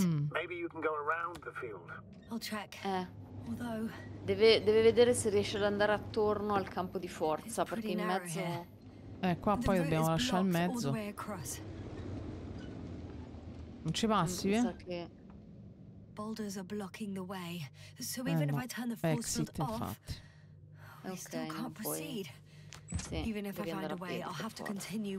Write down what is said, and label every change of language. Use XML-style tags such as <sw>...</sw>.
<en>Maybe you can go around the field. I'll check.</en> <it>Deve vedere se riesce ad andare attorno al campo di forza, perché in mezzo. Qua poi dobbiamo lasciare il mezzo. Non ci passi, eh?</it> <en>Boulders are blocking the way. So even if I turn the force field off, we still can't proceed. Sì, even if I find a way, I'll have to continue</en>